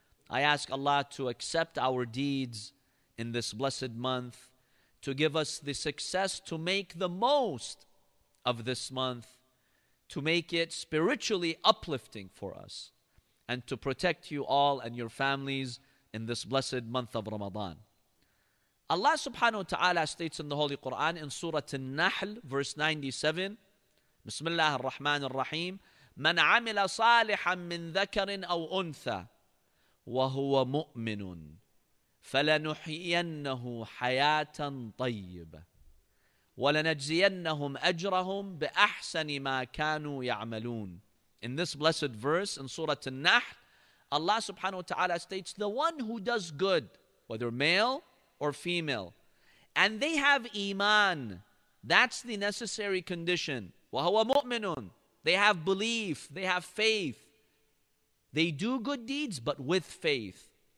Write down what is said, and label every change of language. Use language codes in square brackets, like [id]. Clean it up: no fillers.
[en] I ask Allah to accept our deeds in this blessed month, to give us the success to make the most of this month, to make it spiritually uplifting for us, and to protect you all and your families in this blessed month of Ramadan. Allah subhanahu wa ta'ala states in the Holy Quran in Surah An-Nahl, verse 97, [ar] Bismillah ar-Rahman ar-Rahim, مَنْ عَمِلَ صَالِحًا مِنْ ذَكَرٍ أَوْ أُنْثَى وَهُوَ مُؤْمِنٌ فَلَنُحْيِيَنَّهُ حَيَاةً طَيِّبَةً وَلَنَجْزِيَنَّهُمْ أَجْرَهُمْ بِأَحْسَنِ مَا كَانُوا يَعْمَلُونَ. [en] In this blessed verse in Surah An-Nahl, Allah subhanahu wa ta'ala states, the one who does good, whether male or female, and they have iman, that's the necessary condition. [ar] وَهُوَ مُؤْمِنٌ. [en] They have belief, they have faith. They do good deeds, but with faith.